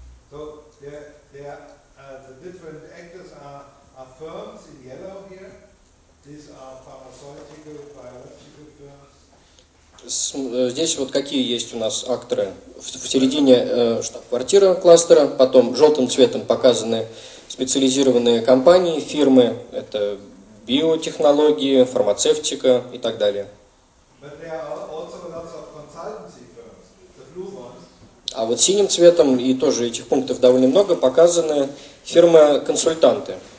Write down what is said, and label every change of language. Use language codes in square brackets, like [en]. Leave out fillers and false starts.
[en] So [ru] здесь вот какие есть у нас акторы. В середине штаб-квартира кластера, потом желтым цветом показаны специализированные компании, фирмы, это биотехнологии, фармацевтика и так далее. [en] But there are also lots of consultancy firms, the blue ones. [ru] А вот синим цветом, и тоже этих пунктов довольно много, показаны фирмы-консультанты.